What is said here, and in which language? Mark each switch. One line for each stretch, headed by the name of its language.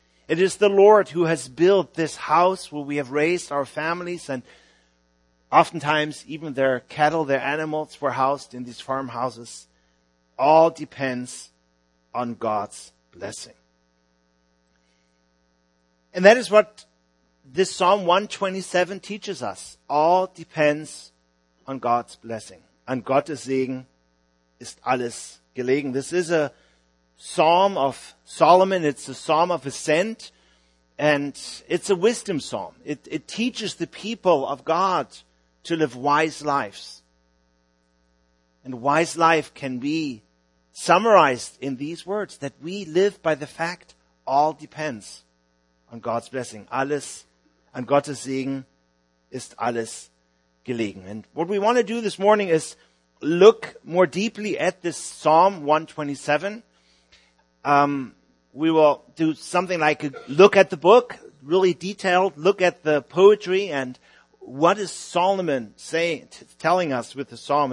English: It is the Lord who has built this house where we have raised our families, and oftentimes even their cattle, their animals were housed in these farmhouses. All depends on God's blessing. And that is what this Psalm 127 teaches us. All depends on God's blessing.
German: An Gottes Segen ist alles gelegen.
English: This is a Psalm of Solomon. It's a psalm of ascent, and it's a wisdom psalm. It teaches the people of God to live wise lives. And wise life can be summarized in these words, that we live by the fact all depends on God's blessing.
German: Alles, an Gottes Segen ist alles gelegen.
English: And what we want to do this morning is look more deeply at this Psalm 127. We will do something like a look at the book, really detailed, look at the poetry and what is Solomon saying, telling us with the psalm.